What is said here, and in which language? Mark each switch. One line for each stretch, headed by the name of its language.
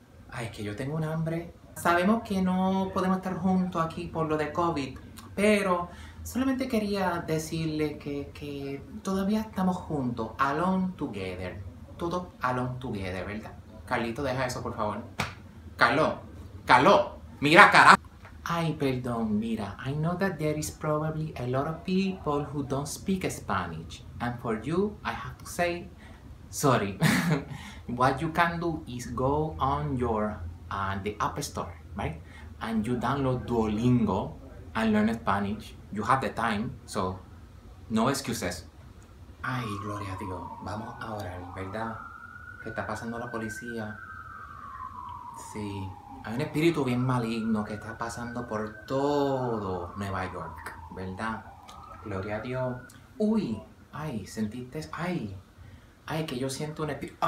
Spanish: Ay, es que yo tengo un hambre. Sabemos que no podemos estar juntos aquí por lo de COVID, pero solamente quería decirle que todavía estamos juntos,
English: alone together.
Spanish: Todo
English: alone together,
Spanish: ¿verdad? Carlito, deja eso, por favor. Carlos, Carlos, mira, carajo. Ay, perdón, mira,
English: I know that there is probably a lot of people who don't speak Spanish. And for you, I have to say, sorry. What you can do is go on your the App Store, right? And you download Duolingo and learn Spanish. You have the time, so no excuses.
Spanish: Ay, gloria a Dios. Vamos a orar, ¿verdad? ¿Qué está pasando la policía? Sí. Hay un espíritu bien maligno que está pasando por todo Nueva York, ¿verdad? Gloria a Dios. Uy, ay, sentiste. Ay, ay, que yo siento un espíritu.